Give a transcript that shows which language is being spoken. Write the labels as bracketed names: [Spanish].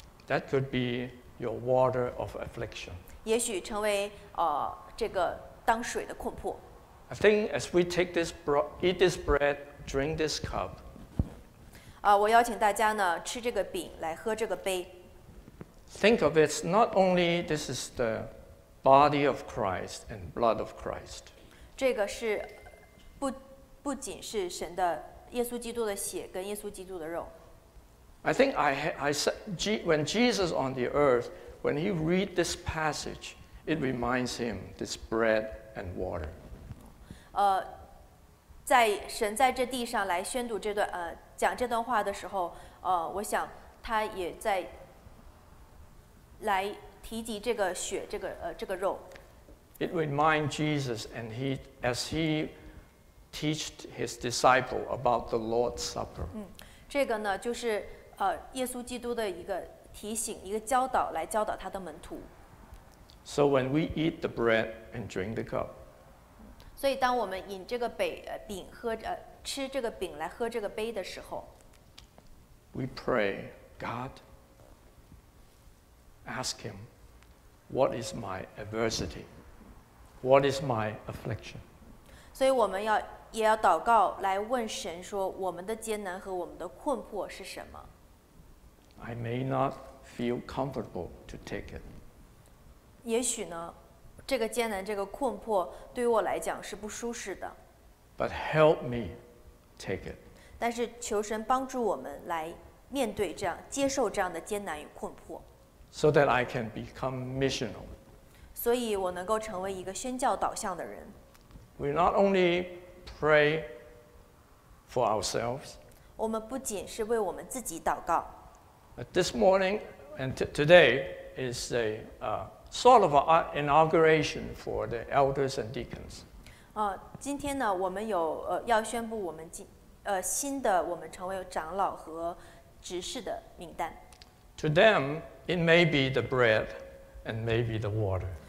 [English] That could be your water of affliction. [Chinese] 也许成为这个当水的困迫。 [English] I think as we take this eat this bread, drink this cup. [Chinese] 我邀请大家呢吃这个饼，来喝这个杯。 [English] Think of it not only this is the body of Christ and blood of Christ. [Chinese] 这个是不仅是神的耶稣基督的血跟耶稣基督的肉。 [English] I think I said when Jesus on the earth, when he read this passage, it reminds him this bread and water. [Chinese] 在神在这地上来宣读这段讲这段话的时候，我想他也在来提及这个血，这个肉。 [English] It reminds Jesus and he as he taught his disciple about the Lord's Supper. [Chinese] 这个呢就是耶稣基督的一个提醒，一个教导，来教导他的门徒。 [English] So when we eat the bread and drink the cup. [Chinese] 所以当我们饮这个饼喝吃这个饼来喝这个杯的时候 [English] We pray, God, ask him, what is my adversity? What is my affliction? [Chinese] 所以我们也要祷告来问神说我们的艰难和我们的困迫是什么 [English] I may not feel comfortable to take it. [Chinese] 也许呢这个艰难，这个困迫，对于我来讲是不舒适的。 [English] But help me take it. [Chinese] 但是求神帮助我们来面对这样，接受这样的艰难与困迫。 [English] So that I can become missional. [Chinese] 所以我能够成为一个宣教导向的人。 [English] We not only pray for ourselves. [Chinese] 我们不仅是为我们自己祷告。 [English] But this morning and today is a sort of an inauguration for the elders and deacons. [Chinese] 今天呢，我们有要宣布我们新的我们成为长老和执事的名单。 [English] To them, it may be the bread, and maybe the water.